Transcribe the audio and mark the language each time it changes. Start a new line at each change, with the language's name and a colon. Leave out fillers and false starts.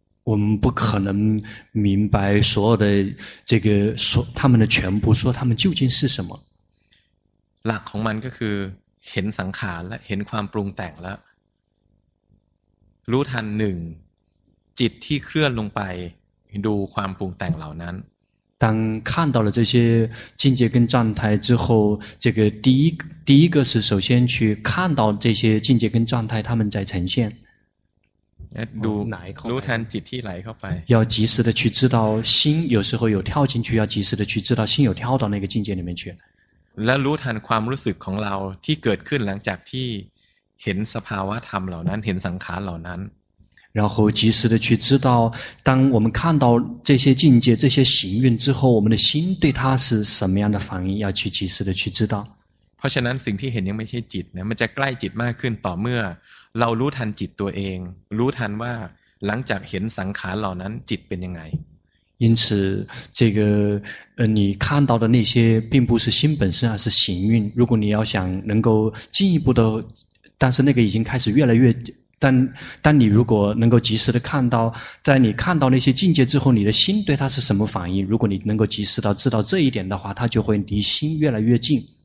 Chinese: 我们不可能明白所有的这个说他们的全部说他们究竟是什么
Thai: หลักของมันก็คือเห็นสังขารและเห็นความปรุงแต่งแล้วรู้ทันหนึ่งจิตที่เคลื่อนลงไปดูความปรุงแต่งเหล่านั้น
Chinese: 当看到了这些境界跟状态之后这个第一个是首先去看到这些境界跟状态他们在呈现
Thai: รู้ทันจิตที่ไหลเข้าไป
Chinese: 要及时的去知道心有时候有跳进去要及时的去知道心有跳到那个境界里面去
Thai: และรู้ทันความรู้สึกของเราที่เกิดขึ้นหลังจากที่เห็นสภาวะธรรมเหล่านั้นเห็นสังขารเหล่านั้น
Chinese: 然后及时的去知道当我们看到这些境界这些行运之后我们的心对它是什么样的反应要去及时的去知道
Thai: เพราะฉะนั้นสิ่งที่เห็นยังไม่ใช่จิตนะมันจะใกล้จิตมากขึ้นต่อเมื่อเรารู้ทันจิตตัวเองรู้ทันว่าหลังจากเห็นสังขารเหล่านั้นจิตเป็นยังไง
Chinese: 因此这个你看到的那些并不是心本身而是行运如果你要想能够进一步的但是那个已经开始越来越但你如果能够及时的看到在你看到那些境界之后你的心对它是什么反应如果你能够及时的知道这一点的话它就会离心越来越近